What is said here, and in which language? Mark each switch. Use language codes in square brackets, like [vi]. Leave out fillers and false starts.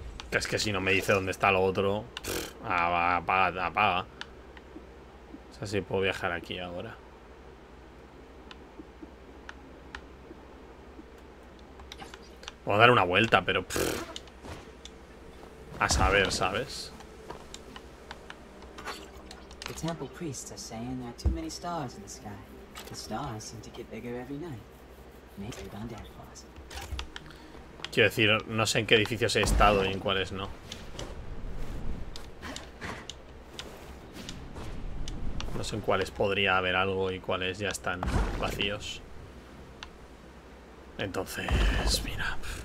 [es] Es que si no me dice dónde está lo otro, apaga. O sea, si puedo viajar aquí ahora. Voy a dar una vuelta, pero a saber, ¿sabes? [en] The temple priests are saying there are too many stars in the sky. The stars seem to get bigger every night. Maybe they're gone dead. [es] Quiero decir, no sé en qué edificios he estado y en cuáles no. No sé en cuáles podría haber algo y cuáles ya están vacíos. Entonces, mira.